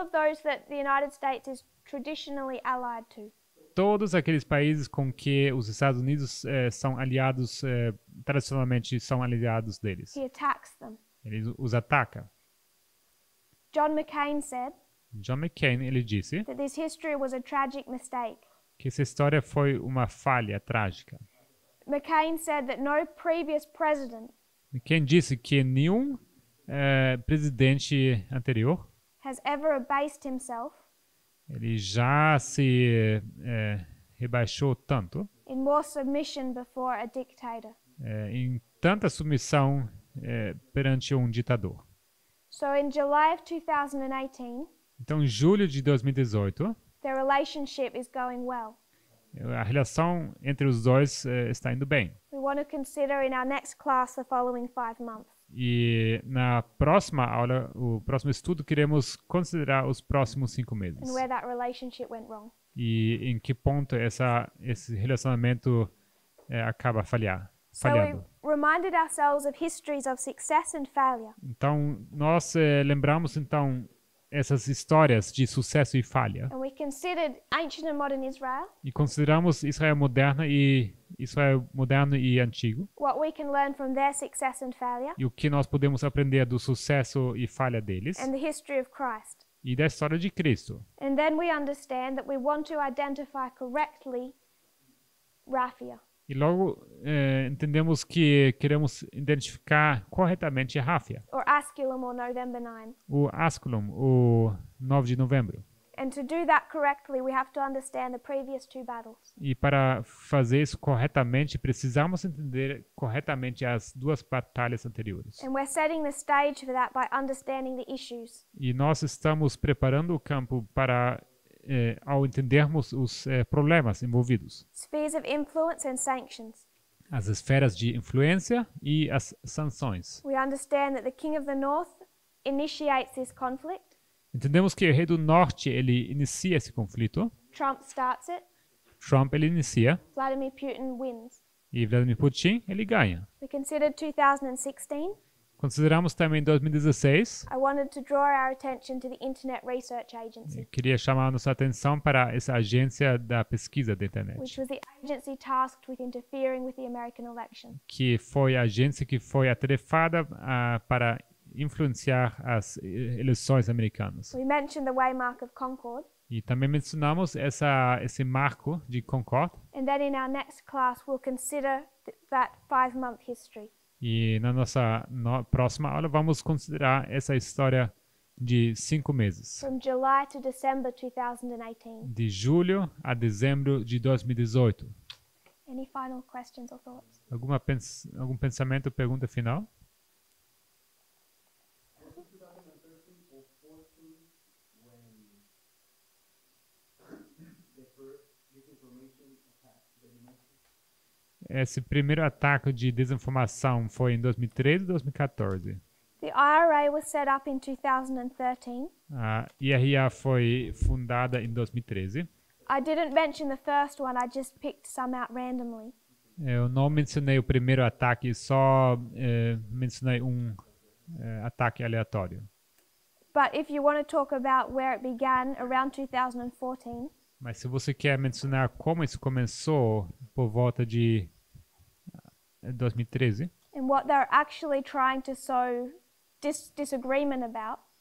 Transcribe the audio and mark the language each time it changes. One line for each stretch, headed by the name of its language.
English: of those that the United States is traditionally allied to,
Portuguese: todos aqueles países com que os Estados Unidos são aliados, tradicionalmente são aliados deles.
English: He attacks them.
Portuguese: Ele os ataca.
English: John McCain
Portuguese: ele disse
English: that this history was a tragic mistake.
Portuguese: Que essa história foi uma falha trágica.
English: McCain said that no previous president.
Portuguese: McCain disse que nenhum presidente anterior.
English: Has ever abased himself.
Portuguese: Ele já se rebaixou tanto.
English: In more submission before a dictator.
Portuguese: Em tanta submissão perante um ditador.
English: So in July of 2018.
Portuguese: Então, em julho de 2018.
English: Their relationship is going well.
Portuguese: A relação entre os dois está indo bem.
English: We want to consider in our next class the following 5 months.
Portuguese: E na próxima aula, o próximo estudo, queremos considerar os próximos 5 meses.
English: And where that relationship went wrong.
Portuguese: E em que ponto esse relacionamento acaba falhando.
English: So we reminded ourselves of histories of success and failure.
Portuguese: Então, nós lembramos então essas histórias de sucesso e falha.
English: And we considered ancient and modern Israel.
Portuguese: E consideramos Israel moderna e Israel moderno e antigo.
English: What we can learn from their success and failure.
Portuguese: E o que nós podemos aprender do sucesso e falha deles.
English: And the history of Christ.
Portuguese: E da história de Cristo.
English: And then we understand that we want to identify correctly Rafia.
Portuguese: E logo entendemos que queremos identificar corretamente Rafia.
English: Or Asculum or November 9.
Portuguese: O Asculum, o 9 de novembro.
English: And to do that correctly, we have to understand the previous two battles.
Portuguese: E para fazer isso corretamente, precisamos entender corretamente as duas batalhas anteriores.
English: And we're setting the stage for that by understanding the issues.
Portuguese: E nós estamos preparando o campo para ao entendermos os problemas envolvidos.
English: Spheres of influence and sanctions.
Portuguese: As esferas de influência e as sanções.
English: We understand that the King of the North initiates this conflict.
Portuguese: Entendemos que o rei do norte ele inicia esse conflito.
English: Trump starts it.
Portuguese: Trump ele inicia.
English: Vladimir Putin wins.
Portuguese: E Vladimir Putin ele ganha.
English: We considered 2016.
Portuguese: Consideramos também 2016.
English: I wanted to draw our attention to the Internet Research Agency.
Portuguese: Eu queria chamar a nossa atenção para essa agência da pesquisa da internet.
English: Which was the agency tasked with interfering with the American election.
Portuguese: Que foi a agência que foi atarefada para influenciar as eleições americanas.
English: We mentioned the Waymark of Concord.
Portuguese: E também mencionamos esse marco de Concord.
English: And then in our next class we'll consider that 5 month history.
Portuguese: E na nossa próxima aula vamos considerar essa história de 5 meses.
English: From July to December 2018.
Portuguese: De julho a dezembro de 2018.
English: Any final questions or thoughts?
Portuguese: Algum pensamento ou pergunta final? Uh, esse primeiro ataque de desinformação foi em 2013 ou 2014?
English: The IRA was set up in 2013.
Portuguese: A IRA foi fundada em 2013.
English: I didn't mention the first one, I just picked some out randomly.
Portuguese: Eu não mencionei o primeiro ataque, só mencionei um ataque aleatório.
English: But if you want to talk about where it began, around 2014.
Portuguese: Mas se você quer mencionar como isso começou por volta de 2013.
English: And what they're actually trying to sow disagreement about.